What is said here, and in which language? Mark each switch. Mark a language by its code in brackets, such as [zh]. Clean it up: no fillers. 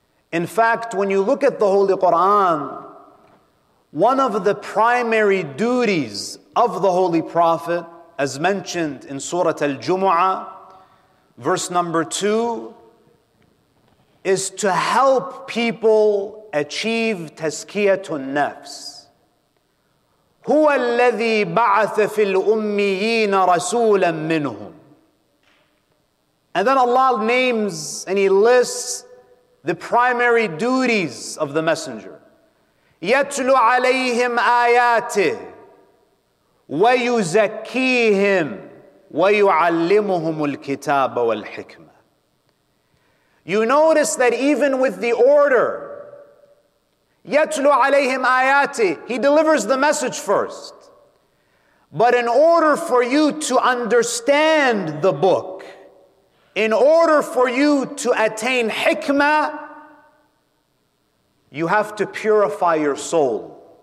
[en] In fact, when you look at the Holy Quran, one of the primary duties of the Holy Prophet, as mentioned in Surah Al-Jumu'ah, verse number 2, is to help people achieve tazkiyatun nafs. [ar] هو الذي بعث في الأميين رسولا منهم. [en] And then Allah names and He lists the primary duties of the messenger. [ar] يتلو عليهم آياته ويزكيهم ويعلمهم الكتاب والحكمة. [en] You notice that even with the order, يَتْلُ عَلَيْهِمْ آيَاتِ, he delivers the message first. But in order for you to understand the book, in order for you to attain hikmah, you have to purify your soul.